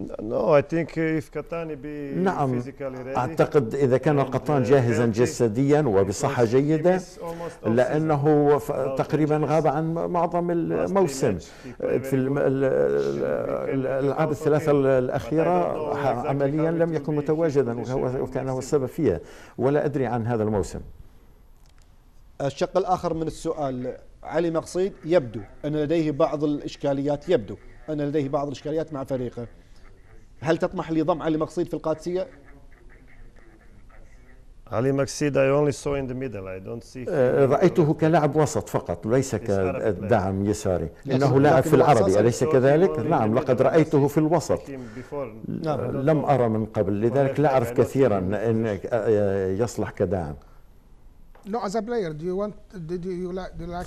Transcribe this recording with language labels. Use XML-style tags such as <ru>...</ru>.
<ar>نعم أعتقد إذا كان القطان جاهزا جسديا وبصحة جيدة، لأنه تقريبا غاب عن معظم الموسم في الألعاب الثلاثة الأخيرة، عمليا لم يكن متواجدا وكان هو السبب فيها، ولا أدري عن هذا الموسم. الشق الآخر من السؤال، علي مقصيد يبدو أن لديه بعض الإشكاليات، يبدو أن لديه بعض الإشكاليات مع فريقه، هل تطمح لضم علي مقصيد في القادسية؟</ar> <en>علي مقصيد I only saw in the middle. I don't see.</en> <ar>رأيته كلاعب وسط فقط، ليس كدعم يساري. إنه لاعب في العربي، أليس كذلك؟ نعم، لقد رأيته في الوسط. لم أرى من قبل، لذلك لا أعرف كثيرا إن يصلح كدعم.</ar> <en>No, as a player, do you want, did you, you like, do you like</en>